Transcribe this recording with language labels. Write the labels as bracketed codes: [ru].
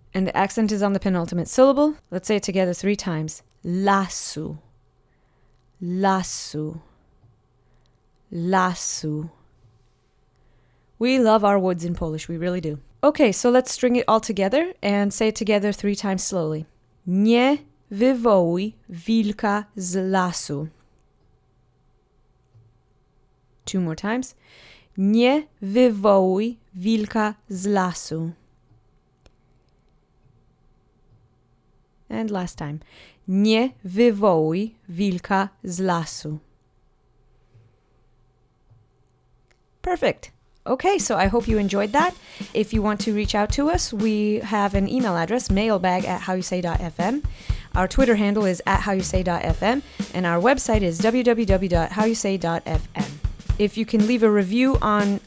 [en] And the accent is on the penultimate syllable. Let's say it together three times. Lasu. Lasu. Lasu. We love our woods in Polish. We really do. Okay, so let's string it all together and say it together three times slowly. [pl] Nie wywołuj wilka z lasu. [en] Two more times. Nie wywołuj wilka z lasu. And last time. Nie wywołuj wilka z lasu. Perfect. Okay, so I hope you enjoyed that. If you want to reach out to us, we have an email address, mailbag@howyousay.fm. Our Twitter handle is @howyousay.fm, and our website is www.howyousay.fm. If you can leave a review on